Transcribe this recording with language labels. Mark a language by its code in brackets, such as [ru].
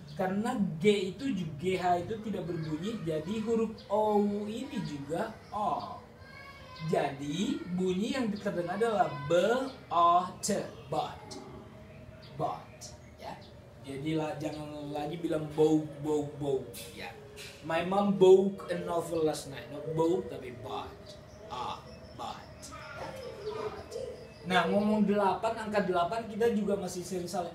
[id] karena G itu juga GH itu tidak berbunyi, jadi huruf O ini juga O. Jadi bunyi yang terdengar adalah B O T, bot, bot, ya. Jadilah jangan lagi bilang bow, ya. [en] My mom bowed a novel last night. [id] Not bow tapi bot, ah, bot. Nah ngomong 8, angka 8 kita juga masih sering salah.